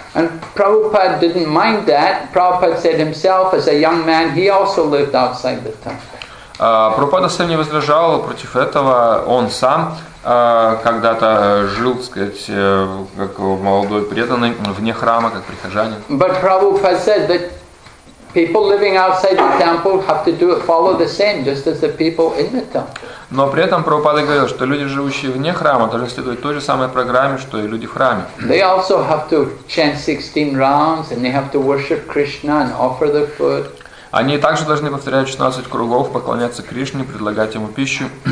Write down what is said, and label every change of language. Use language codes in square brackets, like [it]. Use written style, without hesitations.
[en] And Prabhupada didn't mind that. Prabhupada said himself, as a young man, he also lived outside the temple. [ru] Прабхупада сам не возражал против этого, он сам когда-то жил, так сказать, как молодой преданный, вне храма, как прихожанин. [en] But Prabhupada said that people living outside the temple have to do it, follow the same, just as the people in the temple. [ru] Но при этом Прабхупада говорил, что люди, живущие вне храма, должны следовать той же самой программе, что и люди в храме. [en] They also have to chant 16 rounds, and they have to worship Krishna and offer their food. [ru] Они также должны повторять 16 кругов, поклоняться Кришне, предлагать Ему пищу.